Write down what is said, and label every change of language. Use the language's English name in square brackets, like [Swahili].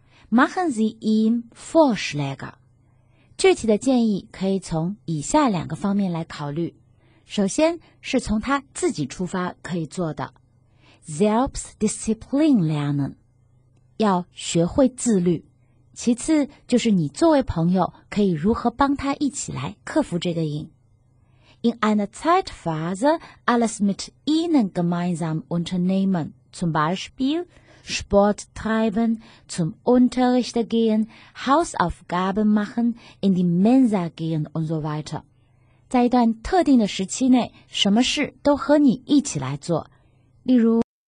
[German] Machen Sie ihm Vorschläge. [Chinese] 具体的建议可以从以下两个方面来考虑。首先是从他自己出发可以做的。 [German] Selbstdisziplin lernen， [Chinese] 要学会自律。其次就是你作为朋友可以如何帮他一起来克服这个瘾。 [German] In einer Zeitphase alles mit ihnen gemeinsam unternehmen, zum Beispiel Sport treiben, zum Unterricht gehen, Hausaufgaben machen, in die Mensa gehen und so weiter. [Chinese] 在一段特定的时期内，什么事都和你一起来做，例如